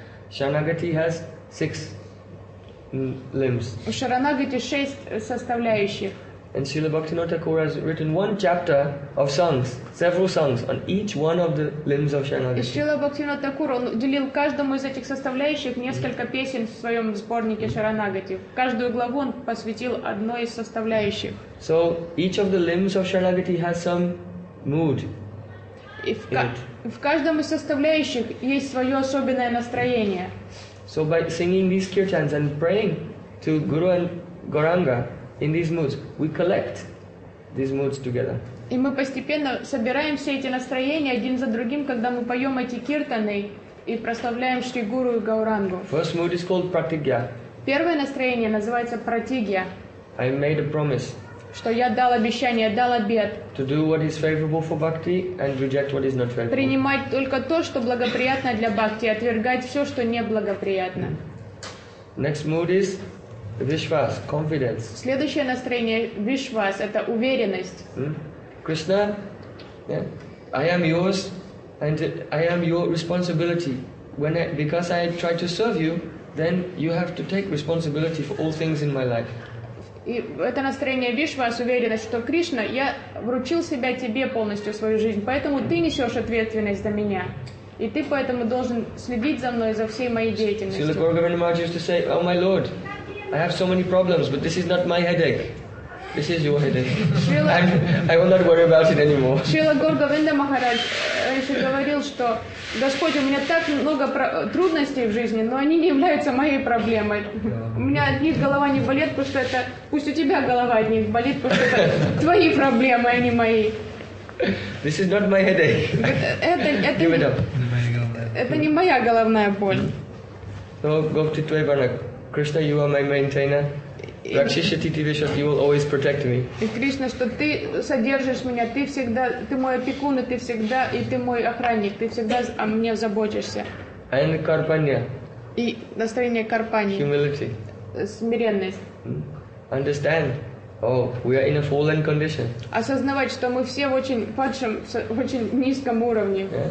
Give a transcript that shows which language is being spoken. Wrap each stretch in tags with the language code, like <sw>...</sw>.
<en>Шаранагати has six limbs.</en> <ru>У Шаранагати шесть составляющих.</ru> <en>And Srila Bhaktivinoda Thakur has written one chapter of songs, several songs on each one of the limbs of Шаранагати.</en> <ru>И Шрила Бхактивинода Такур он уделил каждому из этих составляющих несколько песен в своем сборнике Шаранагати. Каждую главу он посвятил одной из составляющих.</ru> <en>So each of the limbs of Шаранагати has some mood.</en> <ru>В каждом из составляющих есть свое особенное настроение.</ru> <en>So by singing these kirtans and praying to Guru and Gauranga in these moods, we collect these moods together.</en> <ru>И мы постепенно собираем все эти настроения один за другим, когда мы поем эти киртаны и прославляем Шри Гуру и Гаурангу.</ru> <en>First mood is called pratigya.</en> <ru>Первое настроение называется пратигья.</ru> <en>I made a promise.</en> <ru>Что я дал обещание, дал обет.</ru> <en>To do what is favorable for bhakti and reject what is not favorable.</en> <ru>Принимать только то, что благоприятно для бхакти, отвергать все, что неблагоприятно.</ru> <en>Next mood is vishwas, confidence.</en> <ru>Следующее настроение vishwas, это уверенность.</ru> <en>Krishna, I am yours and I am your responsibility. Because I try to serve you, then you have to take responsibility for all things in my life.</en> <ru>И это настроение вишвас, уверенность, что Кришна, я вручил себя тебе полностью свою жизнь, поэтому ты несешь ответственность за меня. И ты поэтому должен следить за мной, за всей моей деятельностью.</ru> <en>Srila Gaura Govinda Maharaj used to say, oh my lord, I have so many problems, but this is not my headache. This is your headache. I will not worry about it anymore.</en> <ru>Srila Gaura Govinda Maharaj раньше говорил, что Господь, у меня так много трудностей в жизни, но они не являются моей проблемой. У меня от них голова не болит, потому что это... Пусть у тебя голова от них болит, потому что это твои проблемы, а не мои.</ru> <en>This is not my headache. Give it up.</en> <ru>Это не моя головная боль.</ru> <en>So, go to Tvaivarna. Krishna, you are my maintainer. Rakshisha Titi Vishwas, you will always protect me.</en> <ru>И Кришна, что ты содержишь меня, ты всегда, ты мой опекун, и ты мой охранник, ты всегда о мне заботишься.</ru> <en>And Karpanya.</en> <ru>И настроение Карпани.</ru> <en>Humility.</en> <ru>Смиренность.</ru> <en>Understand. Oh, we are in a fallen condition.</en> <ru>Осознавать, что мы все в очень падшем, в очень низком уровне.</ru>